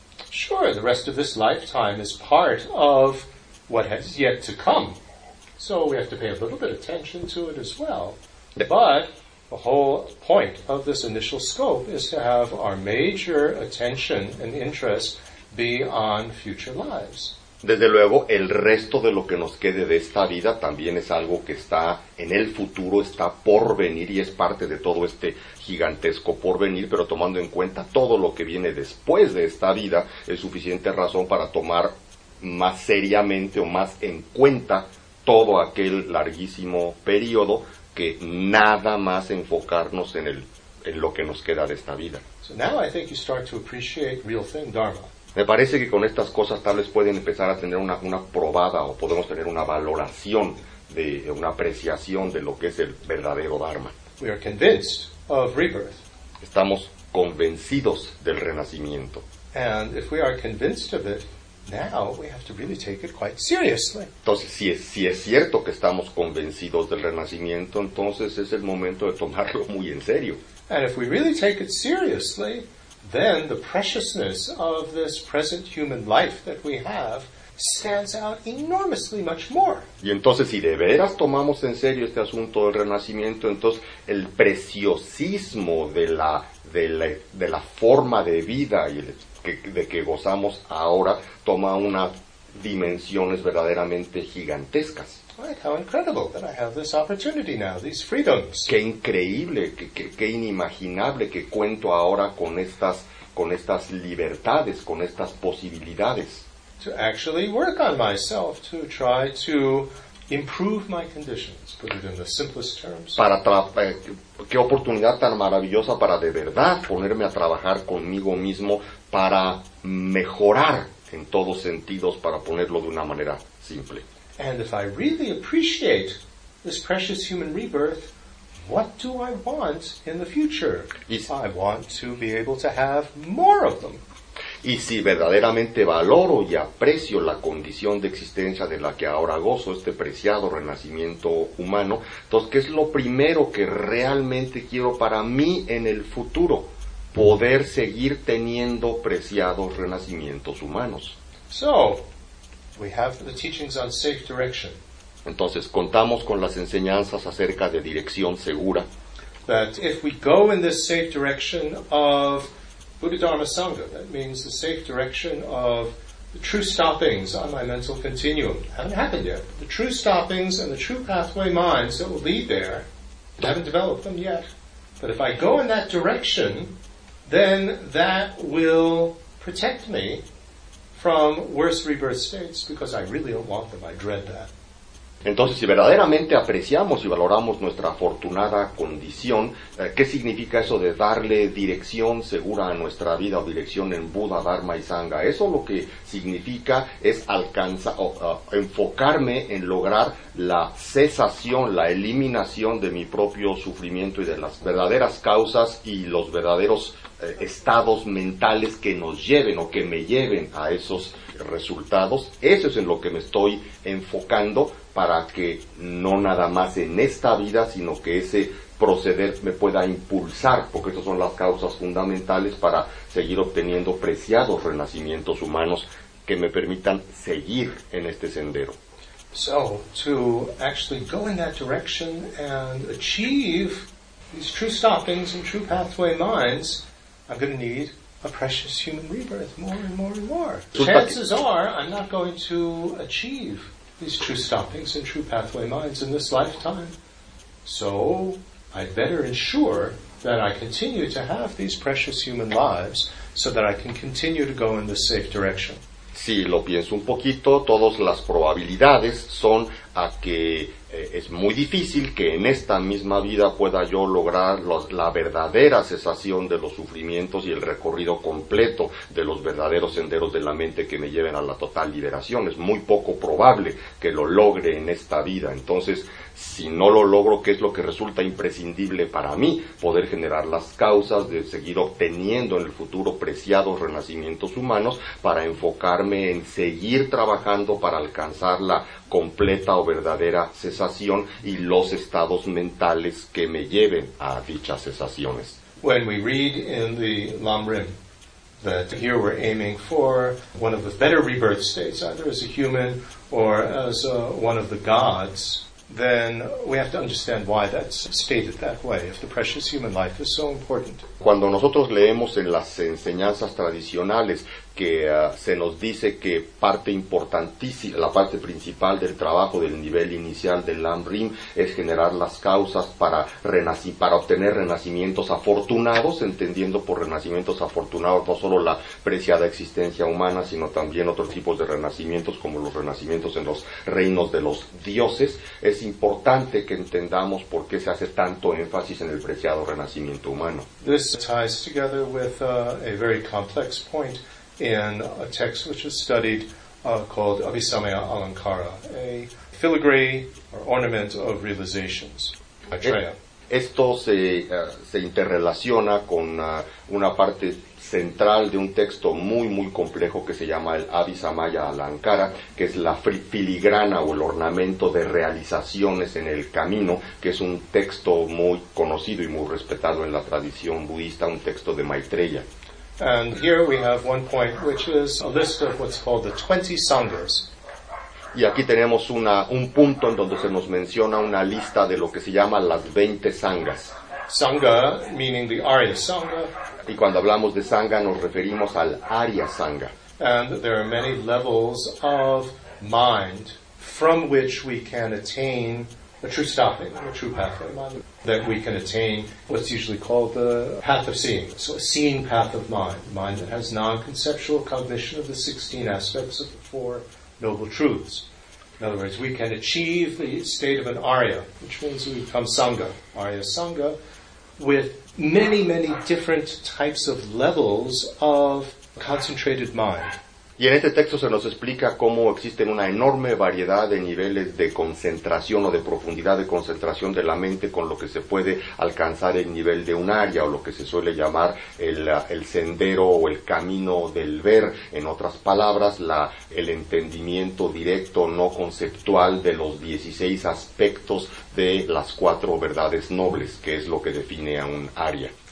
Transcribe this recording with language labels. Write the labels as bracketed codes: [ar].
[en] Sure, the rest of this lifetime is part of what has yet to come. So we have to pay a little bit of attention to it as well. But the whole point of this initial scope is to have our major attention and interest be on future lives. [es] Desde luego, el resto de lo que nos quede de esta vida también es algo que está en el futuro, está por venir y es parte de todo este gigantesco porvenir, pero tomando en cuenta todo lo que viene después de esta vida, es suficiente razón para tomar más seriamente o más en cuenta todo aquel larguísimo periodo que nada más enfocarnos en el en lo que nos queda de esta vida. [en] So now I think you start to appreciate real thing, Dharma. [es] Me parece que con estas cosas tal vez pueden empezar a tener una probada o podemos tener una valoración de una apreciación de lo que es el verdadero Dharma. [en] We are convinced of rebirth. [es] Estamos convencidos del renacimiento. [en] And if we are convinced of it, now we have to really take it quite seriously. [es] Entonces, si es cierto que estamos convencidos del renacimiento, entonces es el momento de tomarlo muy en serio. [en] And if we really take it seriously, then the preciousness of this present human life that we have stands out enormously much more. [es] Y entonces, si de veras tomamos en serio este asunto del renacimiento, entonces el preciosismo de la forma de vida y de que gozamos ahora toma unas dimensiones verdaderamente gigantescas. [en] Right, how incredible that I have this opportunity now, these freedoms. [es] Qué increíble, qué inimaginable que cuento ahora con estas libertades, con estas posibilidades. [en] To actually work on myself, to try to improve my conditions, put it in the simplest terms. [es] Qué oportunidad tan maravillosa para de verdad ponerme a trabajar conmigo mismo para mejorar en todos sentidos, para ponerlo de una manera simple. [en] And if I really appreciate this precious human rebirth, what do I want in the future? I want to be able to have more of them. [es] Y si verdaderamente valoro y aprecio la condición de existencia de la que ahora gozo, este preciado renacimiento humano, entonces, ¿qué es lo primero que realmente quiero para mí en el futuro? Poder seguir teniendo preciados renacimientos humanos. [en] So, we have the teachings on safe direction. [es] Entonces, contamos con las enseñanzas acerca de dirección segura. [en] That if we go in this safe direction of Buddha Dharma Sangha, that means the safe direction of the true stoppings on my mental continuum. Haven't happened yet. The true stoppings and the true pathway minds that will lead there, haven't developed them yet. But if I go in that direction, then that will protect me from worse rebirth states, because I really don't want them, I dread that. [es] Entonces, si verdaderamente apreciamos y valoramos nuestra afortunada condición, ¿qué significa eso de darle dirección segura a nuestra vida o dirección en Buda, Dharma y Sangha? Eso lo que significa es enfocarme en lograr la cesación, la eliminación de mi propio sufrimiento y de las verdaderas causas y los verdaderos estados mentales que nos lleven o que me lleven a esos resultados. Eso es en lo que me estoy enfocando para que no nada más en esta vida, sino que ese proceder me pueda impulsar, porque esas son las causas fundamentales para seguir obteniendo preciados renacimientos humanos que me permitan seguir en este sendero. [en] So, to actually go in that direction and achieve these true stoppings and true pathway minds, I'm going to need a precious human rebirth, more and more and more. Chances are, I'm not going to achieve these true stoppings and true pathway minds in this lifetime. So, I'd better ensure that I continue to have these precious human lives so that I can continue to go in this safe direction. [es] Si lo pienso un poquito, todas las probabilidades son a que es muy difícil que en esta misma vida pueda yo lograr la verdadera cesación de los sufrimientos y el recorrido completo de los verdaderos senderos de la mente que me lleven a la total liberación. Es muy poco probable que lo logre en esta vida. Entonces, si no lo logro, ¿qué es lo que resulta imprescindible para mí? Poder generar las causas de seguir obteniendo en el futuro preciados renacimientos humanos para enfocarme en seguir trabajando para alcanzar la completa o verdadera cesación y los estados mentales que me lleven a dichas cesaciones. [en] When we read in the lam-rim, that here we're aiming for one of the better rebirth states, either as a human or as one of the gods, then we have to understand why that's stated that way, if the precious human life is so important. [es] Cuando nosotros leemos en las enseñanzas tradicionales que se nos dice que parte importantísima, la parte principal del trabajo del nivel inicial del lam-rim es generar las causas para obtener renacimientos afortunados, entendiendo por renacimientos afortunados no solo la preciada existencia humana, sino también otros tipos de renacimientos como los renacimientos en los reinos de los dioses. Es importante que entendamos por qué se hace tanto énfasis en el preciado renacimiento humano. [en] This ties together with a very complex point in a text which is studied called Abhisamaya Alankara, a filigree or ornament of realizations, Maitreya. [es] Esto se interrelaciona con una parte central de un texto muy, muy complejo que se llama el Abhisamaya Alankara, que es la filigrana o el ornamento de realizaciones en el camino, que es un texto muy conocido y muy respetado en la tradición budista, un texto de Maitreya. [en] And here we have one point which is a list of what's called the 20 sanghas. [es] Y aquí tenemos un punto en donde se nos menciona una lista de lo que se llama las 20 sanghas. [en] Sangha meaning the Arya Sangha. [es] Y cuando hablamos de sangha nos referimos al Arya Sangha. [en] And there are many levels of mind from which we can attain a true stopping, a true path of mind, that we can attain what's usually called the path of seeing, so a seeing path of mind that has non-conceptual cognition of the 16 aspects of the Four Noble Truths. In other words, we can achieve the state of an Arya, which means we become Sangha, Arya Sangha, with many, many different types of levels of concentrated mind. [es] Y en este texto se nos explica cómo existen una enorme variedad de niveles de concentración o de profundidad de concentración de la mente con lo que se puede alcanzar el nivel de un área o lo que se suele llamar el sendero o el camino del ver. En otras palabras, el entendimiento directo, no conceptual, de los 16 aspectos de las cuatro verdades nobles, que es lo que define a un área.